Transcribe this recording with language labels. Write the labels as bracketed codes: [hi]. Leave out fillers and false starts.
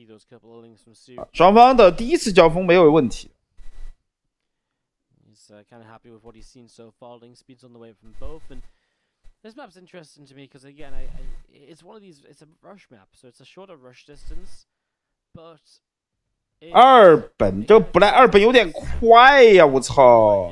[zh] 主要看一会儿科技的一个选择，两条狗摸农民变，漂亮。想绕一下，等对方退这个，他想绕继续等你退，你退不退？退我就给你补了，退了差不多。双方的第一次交锋没有问题。 [en] Kind of happy with what he's seen so far. Link speeds on the way from both, and this map's interesting to me because again, it's one of these. It's a rush map, so it's a shorter rush distance. But [zh] 二本这不来，二本有点快呀！我操！